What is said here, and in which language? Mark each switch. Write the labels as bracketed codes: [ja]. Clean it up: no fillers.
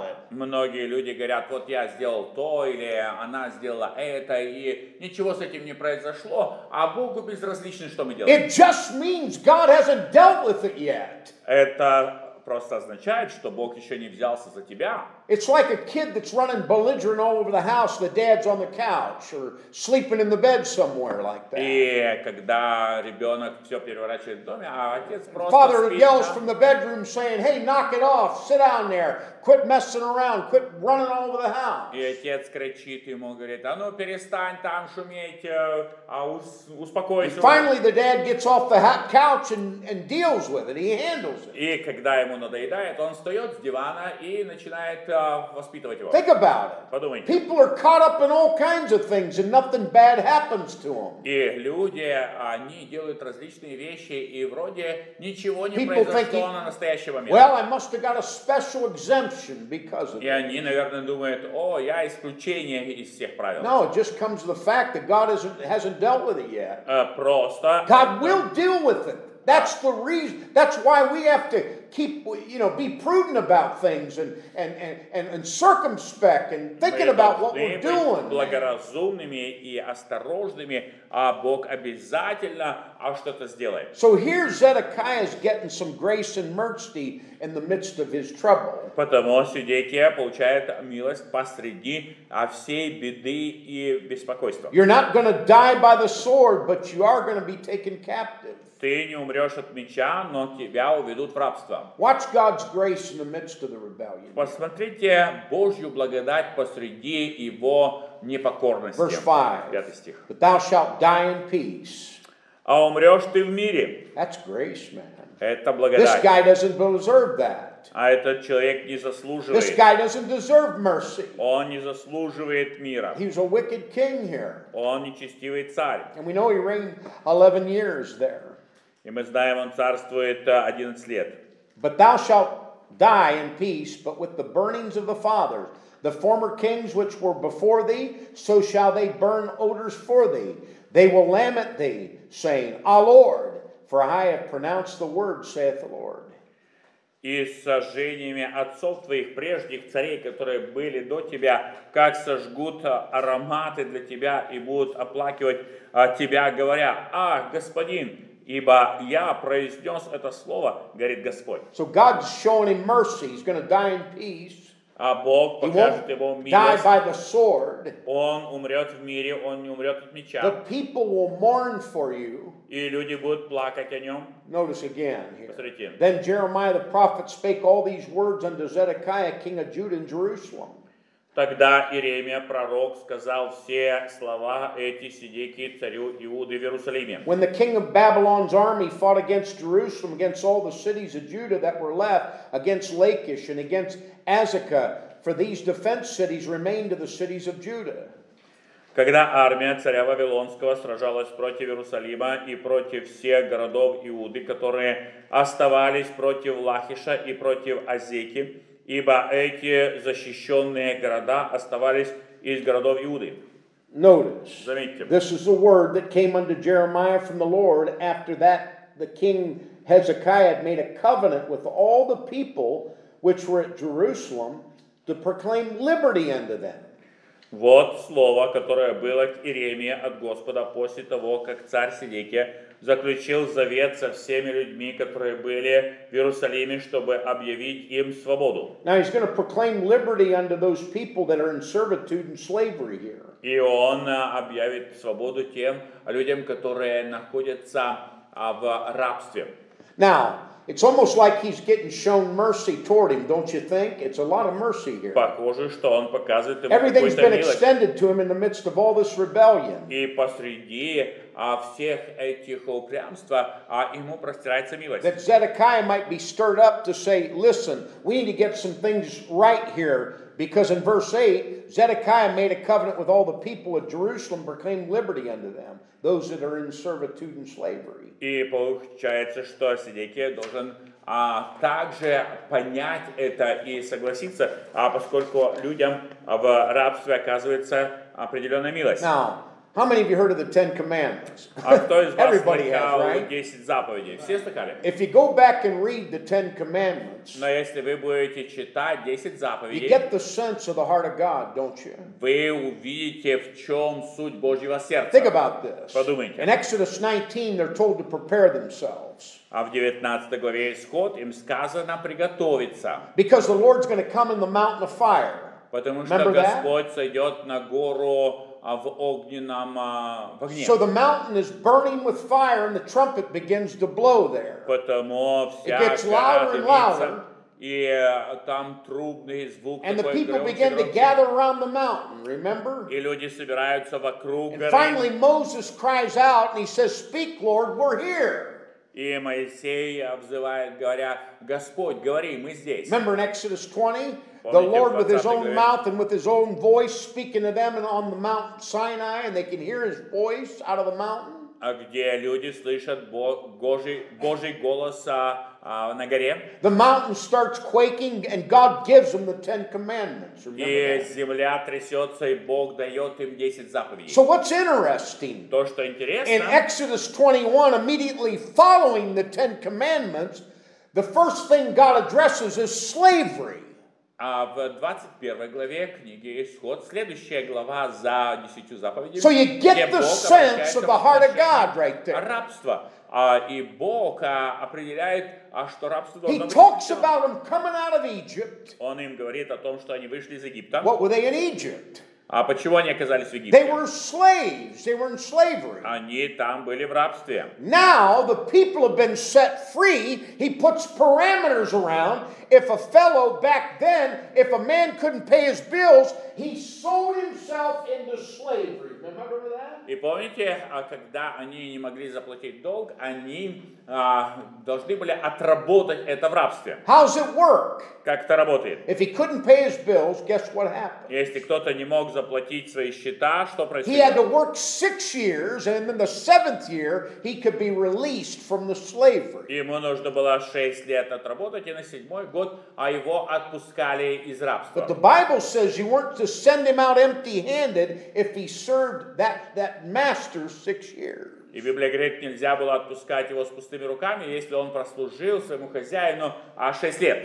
[ru] Многие люди говорят, вот я сделал то, или она сделала это, и ничего с этим не произошло, а Богу безразлично, что мы делаем. [en] It just means God hasn't dealt with it yet. [ru] Это просто означает, что Бог еще не взялся за тебя. [en] It's like a kid that's running belligerent all over the house, the dad's on the couch or sleeping in the bed somewhere like that. [ru] И когда ребенок все переворачивает в доме, а отец просто [en] Father [ru] спит, [en] yells from the bedroom saying, "Hey, knock it off, sit down there, quit messing around, quit running all over the house." [ru] И отец кричит ему, говорит, а ну перестань там шуметь, а успокойся. [en] And finally, the dad gets off the couch and deals with it. He handles it. [ru] И когда ему надоедает, он встает с дивана и начинает воспитывать его. [en] Think about it. [ru] Подумайте. [en] People are caught up in all kinds of things and nothing bad happens to them. [ru] И люди, они делают различные вещи и вроде ничего не [en] People [ru] произошло [en] thinking, [ru] на настоящий момент. [en] Well, I must have got a special exemption because of [ru] И они, наверное, думают, о, я исключение из всех правил. [en] No, it just comes to the fact that God hasn't dealt with it yet. [ru] Просто. [en] God will deal with it. That's the reason. That's why we have to keep, you know, be prudent about things and circumspect and thinking about what we're doing. [ru] Благоразумными и осторожными, а Бог обязательно что-то сделает. [en] So here Zedekiah is getting some grace and mercy in the midst of his trouble. [ru] Потому Сидекия получает милость посреди всей беды и беспокойства. [en] You're not going to die by the sword, but you are going to be taken captive. [ru] Ты не умрешь от меча, но тебя уведут в рабство. [en] Watch God's grace in the midst of the rebellion. [ru] Посмотрите Божью благодать посреди его непокорности. [en] Verse 5. [ru] 5 стих. [en] But thou shalt die in peace. [ru] А умрешь ты в мире. [en] That's grace, man. [ru] Это благодать. [en] This guy doesn't deserve that. [ru] А этот человек не заслуживает. [en] This guy doesn't deserve mercy. [ru] Он не заслуживает мира. [en] He's a wicked king here. [ru] Он нечестивый царь. [en] And we know he reigned 11 years there. [ru] И мы знаем, он царствует 11 лет. [en] But thou shalt die in peace, but with the burnings of the fathers, the former kings which were before thee, so shall they burn odors for thee. They will lament thee, saying, Ah, Lord, for I have pronounced the word, saith the Lord. [ru] И сожжениями отцов твоих, прежних царей, которые были до тебя, как сожгут ароматы для тебя и будут оплакивать тебя, говоря, Ах, Господин! Ибо я произнес это слово, говорит Господь. [en] So God's showing him mercy. He's going to die in peace. [ru] А Бог покажет ему милость. [en] Die by the sword. [ru] Он умрет в мире, он не умрет от меча. [en] The people will mourn for you. [ru] И люди будут плакать о нем. [en] Notice again here. [ru] Посмотрите. [en] Then Jeremiah the prophet spake all these words unto Zedekiah, king of Judah, in Jerusalem. [ru] Тогда Иеремия, пророк, сказал все слова эти Сидекии, царю Иуды в Иерусалиме. [en] When the king of Babylon's army fought against Jerusalem, against all the cities of Judah that were left, against Lachish and against Azekah, for these defense cities remained to the cities of Judah. [ru] Когда армия царя Вавилонского сражалась против Иерусалима и против всех городов Иуды, которые оставались против Лахиша и против Азеки, ибо эти защищенные города оставались из городов Иуды. [en] Notice, [ru] заметьте. [en] This is a word that came unto Jeremiah from the Lord after that the king Hezekiah had made a covenant with all the people which were at Jerusalem to proclaim liberty unto them. [ru] Вот слово, которое было к Иеремии от Господа после того, как царь Сидекия заключил завет со всеми людьми, которые были в Иерусалиме, чтобы объявить им свободу. [en] Now he's going to proclaim liberty unto those people that are in servitude and slavery here. [ru] И он объявит свободу тем людям, которые находятся в рабстве. [en] Now, it's almost like he's getting shown mercy toward him, don't you think? It's a lot of mercy here. [ru] Похоже, что он показывает ему [en] Everything's been extended to him in the midst of all this rebellion. [ru] И посреди всех этих упрямств, ему простирается милость. [en] That Zedekiah might be stirred up to say, listen, we need to get some things right here, because in verse 8, Zedekiah made a covenant with all the people of Jerusalem, proclaimed liberty unto them, those that are in servitude and slavery. [ru] И получается, что Сидекия должен также понять это и согласиться, поскольку людям в рабстве оказывается определенная милость. [en] Now, How many of you heard of the Ten Commandments? Everybody has, right? [ru] 10 заповедей. Все слыхали? [en] If you go back and read the Ten Commandments, [ru] но если вы будете читать 10 заповедей, [en] you get the sense of the heart of God, don't you? [ru] Вы увидите, в чем суть Божьего сердца. [en] Think about this. [ru] Подумайте. [en] In Exodus 19, they're told to prepare themselves. [ru] А в 19 главе Исход им сказано приготовиться. [en] Because the Lord's going to come in the mountain of fire. [ru] Потому что Господь сойдет на гору в огненном, в огне. [en] So the mountain is burning with fire and the trumpet begins to blow there. [ru] Потому вся [en] it gets louder and louder. [ru] И там трубный звук. [en] And the people begin to gather around the mountain, remember? [ru] И люди собираются вокруг горы. [en] And finally Moses cries out and he says, "Speak, Lord, we're here." [ru] И Моисей взывает, говоря, Господь, говори, мы здесь. [en] Remember in Exodus 20? The Lord with his own mouth and with his own voice speaking to them on the Mount Sinai, and they can hear his voice out of the mountain. [ru] А где люди слышат Божий голос на горе? [en] The mountain starts quaking and God gives them the Ten Commandments. [ru] И земля трясется, и Бог дает им 10 заповедей. [en] So what's interesting? [ru] То, что интересно. [en] In Exodus 21, immediately following the Ten Commandments, the first thing God addresses is slavery. [ru] А в 21 главе книги Исход, следующая глава за 10 заповедями, [en] so you get the sense of the heart of God right there. [ru] Рабство. И Бог определяет, что рабство должно быть. [en] He talks about them coming out of Egypt. [ru] Он им говорит о том, что они вышли из Египта. [en] What were they in Egypt? [ru] А почему они оказались в Египте? [en] They were slaves. They were in slavery. [ru] Они там были в рабстве. [en] Now the people have been set free. He puts parameters around. If a fellow back then, if a man couldn't pay his bills, he sold himself into slavery. Remember that? [ru] И помните, когда они не могли заплатить долг, они должны были отработать это в рабстве. [en] How's it work? [ru] Как это работает? [en] If he couldn't pay his bills, guess what happened? [ru] Если кто-то не мог заплатить свои счета, что происходит? [en] He had to work 6 years, and then the 7th year he could be released from the slavery. [ru] Ему нужно было 6 лет отработать, и на 7-й год его отпускали из рабства. [en] But the Bible says you weren't to send him out empty-handed if he served that master 6 years. [ru] И Библия говорит, нельзя было отпускать его с пустыми руками, если он прослужил своему хозяину 6 лет.